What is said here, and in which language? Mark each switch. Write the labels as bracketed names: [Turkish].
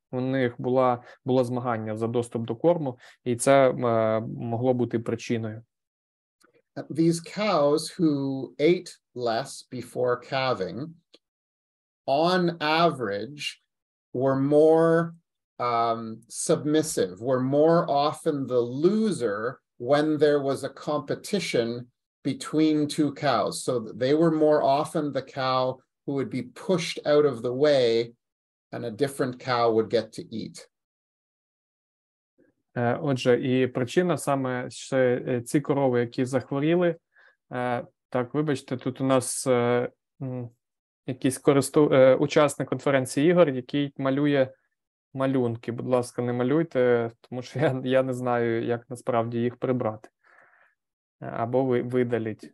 [Ukrainian] У них було змагання за доступ до корму, і це могло бути причиною. [English] These cows who ate less before calving, on average, were more submissive, were more often the loser when there was a competition between two cows. So they were more often the cow who would be pushed out of the way and a different cow would get to eat. [Ukrainian] Отже, і причина саме, що ці корови, які захворіли, так, вибачте, тут у нас якийсь учасник конференції Ігор, який малює малюнки. Будь ласка, не малюйте, тому що я не знаю, як насправді їх прибрати або видалити.